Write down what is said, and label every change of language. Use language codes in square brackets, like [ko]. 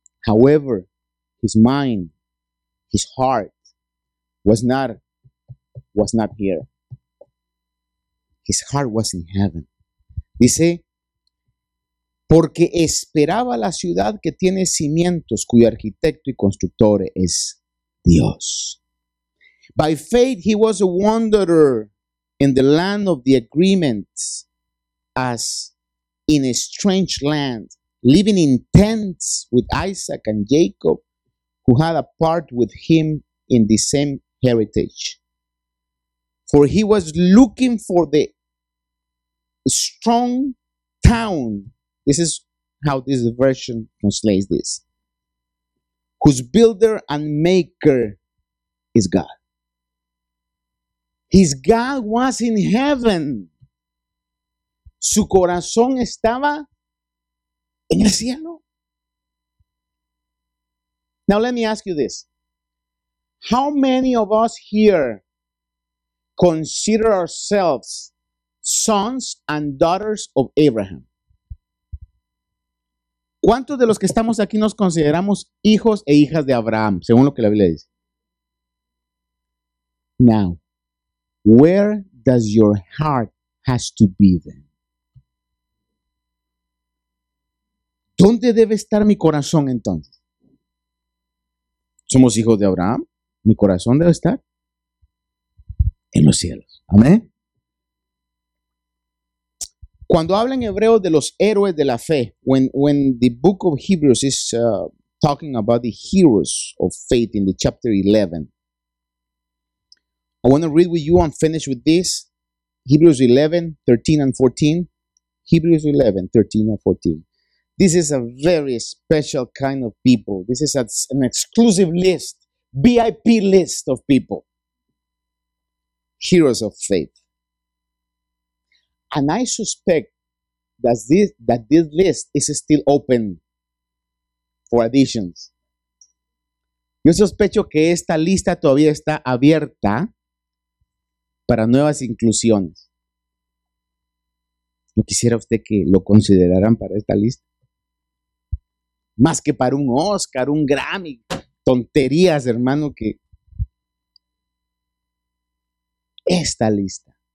[en] However, his mind, his heart was not here. His heart was in heaven. [es] Dice, porque esperaba la ciudad que tiene cimientos, cuyo arquitecto y constructor es Dios. [en] By faith, he was a wanderer in the land of the agreements, as in a strange land, living in tents with Isaac and Jacob, who had a part with him in the same heritage. For he was looking for the strong town. This is how this version translates this. Whose builder and maker is God. His God was in heaven. [es] Su corazón estaba en el cielo. [en] Now let me ask you this. How many of us here consider ourselves sons and daughters of Abraham? [es] ¿Cuántos de los que estamos aquí nos consideramos hijos e hijas de Abraham, según lo que la Biblia dice? [en] Now, where does your heart has to be then? [es] ¿Dónde debe estar mi corazón entonces? ¿Somos hijos de Abraham? ¿Mi corazón debe estar? En los cielos. Amén. Cuando habla en hebreo de los héroes de la fe, [en] when the book of Hebrews is talking about the heroes of faith in the chapter 11, I want to read with you and finish with this, Hebrews 11, 13 and 14. Hebrews 11, 13 and 14. This is a very special kind of people. This is an exclusive list, VIP list of people. Heroes of faith. And I suspect that this list is still open for additions. [es] Yo sospecho que esta lista todavía está abierta para nuevas inclusiones. ¿No quisiera usted que lo consideraran para esta lista? Más que para un Oscar, un Grammy, tonterías, hermano, que esta lista.